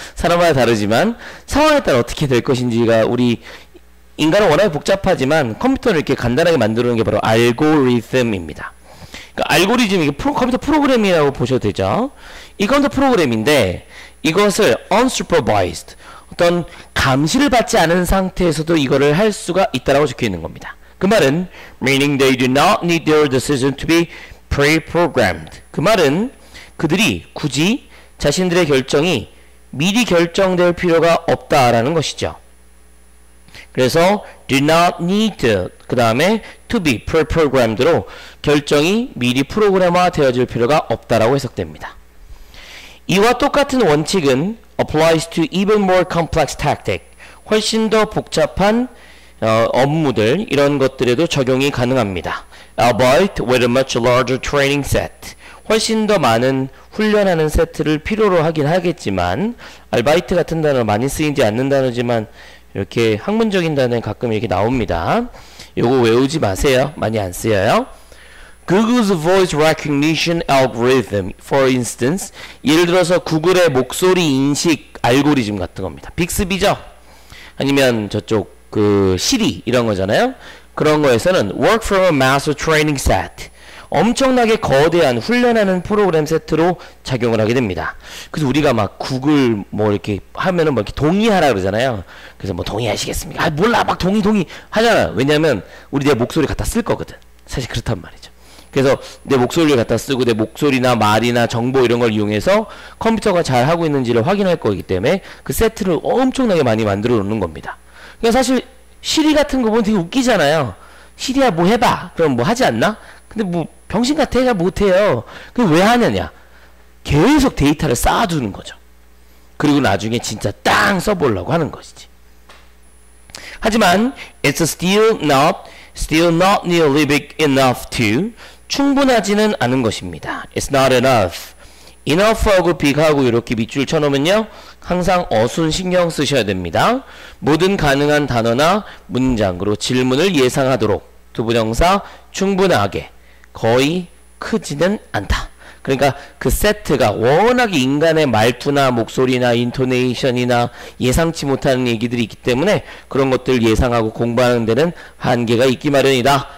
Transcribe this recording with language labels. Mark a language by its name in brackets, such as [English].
[Korean] 사람마다 다르지만 상황에 따라 어떻게 될 것인지가 우리 인간은 워낙 복잡하지만 컴퓨터를 이렇게 간단하게 만드는 게 바로 알고리즘입니다. 그러니까 알고리즘, 이게 컴퓨터 프로그램이라고 보셔도 되죠. 이 컴퓨터 프로그램인데 이것을 unsupervised, 어떤 감시를 받지 않은 상태에서도 이거를 할 수가 있다라고 적혀 있는 겁니다. 그 말은 [English] meaning they do not need their decision to be pre-programmed. [Korean] 그 말은 그들이 굳이 자신들의 결정이 미리 결정될 필요가 없다라는 것이죠. 그래서 do not need, 그 다음에 to be pre-programmed로 결정이 미리 프로그램화 되어질 필요가 없다라고 해석됩니다. 이와 똑같은 원칙은 [English] applies to even more complex tactic, [Korean] 훨씬 더 복잡한 업무들, 이런 것들에도 적용이 가능합니다. [English] Albeit with a much larger training set, [Korean] 훨씬 더 많은 훈련하는 세트를 필요로 하긴 하겠지만, Albeit 같은 단어 많이 쓰이지 않는 단어지만 이렇게 학문적인 단어에 가끔 이렇게 나옵니다. 요거 외우지 마세요. 많이 안 쓰여요. [English] Google's voice recognition algorithm, for instance. [Korean] 예를 들어서 구글의 목소리 인식 알고리즘 같은 겁니다. 빅스비죠? 아니면 저쪽 그 시리 이런 거잖아요. 그런 거에서는 [English] work from a massive training set. [Korean] 엄청나게 거대한 훈련하는 프로그램 세트로 작용을 하게 됩니다. 그래서 우리가 막 구글 뭐 이렇게 하면은 뭐 이렇게 동의하라 그러잖아요. 그래서 뭐 동의하시겠습니까? 아 몰라 막 동의 하잖아요. 왜냐하면 우리 내 목소리 갖다 쓸 거거든. 사실 그렇단 말이죠. 그래서 내 목소리를 갖다 쓰고 내 목소리나 말이나 정보 이런 걸 이용해서 컴퓨터가 잘 하고 있는지를 확인할 거기 때문에 그 세트를 엄청나게 많이 만들어 놓는 겁니다. 그러니까 사실 시리 같은 거 보면 되게 웃기잖아요. 시리야 뭐 해봐. 그럼 뭐 하지 않나? 근데 뭐 병신 같아 잘 못해요. 그럼 왜 하느냐? 계속 데이터를 쌓아두는 거죠. 그리고 나중에 진짜 땅 써보려고 하는 것이지. 하지만 [English] it's still not nearly big enough to, [Korean] 충분하지는 않은 것입니다. [English] It's not enough. [Korean] enough하고 big하고 이렇게 밑줄 쳐놓으면요, 항상 어순 신경 쓰셔야 됩니다. 모든 가능한 단어나 문장으로 질문을 예상하도록, 두부정사 충분하게, 거의 크지는 않다. 그러니까 그 세트가 워낙 인간의 말투나 목소리나 인토네이션이나 예상치 못하는 얘기들이 있기 때문에 그런 것들을 예상하고 공부하는 데는 한계가 있기 마련이다.